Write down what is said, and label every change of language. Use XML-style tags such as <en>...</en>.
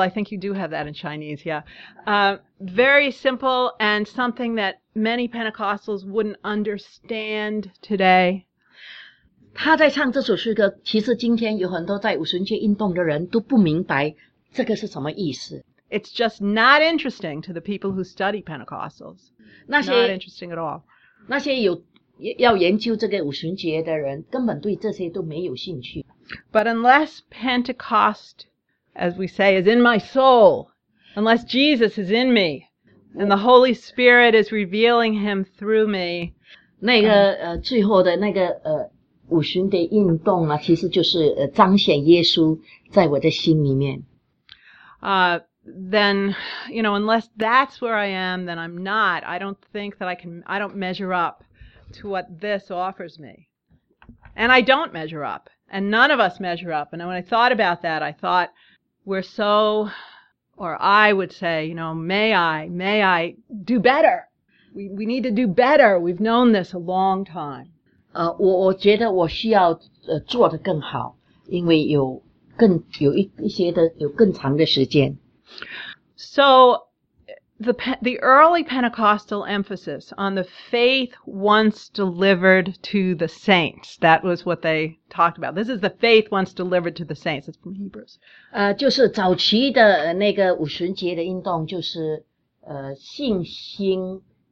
<en>I think you do have that in Chinese, yeah. Very simple and something that many Pentecostals wouldn't understand today.</en> <zh>他在唱这首诗歌，其实今天有很多在五旬节运动的人都不明白这个是什么意思。</zh> <en>It's just not interesting to the people who study Pentecostals.</en> <zh>那些</zh> <en>not interesting at all.</en> <zh>那些有要研究这个五旬节的人，根本对这些都没有兴趣。</zh> <en>But unless Pentecost, as we say, is in my soul, unless Jesus is in me, and the Holy Spirit is revealing Him through me,</en> <zh>那个最后的那个五旬的运动啊，其实就是彰显耶稣在我的心里面。</zh> <en>then, you know, unless that's where I am, then I'm not. I don't think that I can, I don't measure up to what this offers me. And I don't measure up. And none of us measure up. And when I thought about that, I thought we're so, or I would say, you know, may I do better. We need to do better. We've known this a long time.</en> <zh>我觉得我需要做得更好，因为有更有一些的有更长的时间。</zh> <en>So, the early Pentecostal emphasis on the faith once delivered to the saints. That was what they talked about. This is the faith once delivered to the saints. It's from Hebrews.</en> <zh>就是早期的那个五旬节的运动，就是信心。</zh>